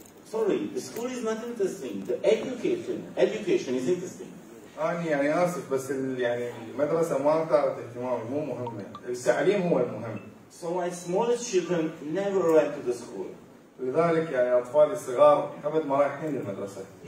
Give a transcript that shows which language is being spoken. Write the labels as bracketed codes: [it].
[en] Sorry, the school is not interesting. The education is interesting. [ar] أني يعني آسف بس يعني المدرسة ما أعطت اهتمام مو مهمة التعليم هو المهم. [en] So my smallest children never went to the school. [ar] لذلك يعني أطفال الصغار أبد ما رايحين للمدرسة.